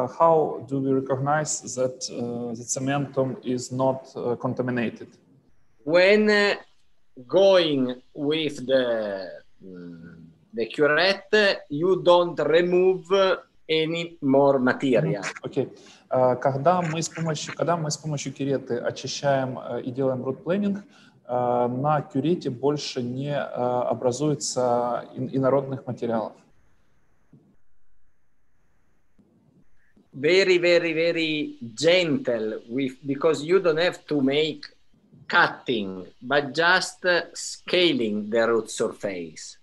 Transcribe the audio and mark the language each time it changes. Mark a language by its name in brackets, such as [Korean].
[English] How do we recognize that the cementum is not contaminated? When going with the curette, you don't remove any more material. Okay. [Russian] Когда мы с помощью кюреты очищаем и делаем root planing, на кюрете больше не образуется инородных материалов. [English] Very, very, very gentle with, because you don't have to make cutting, but just scaling the root surface.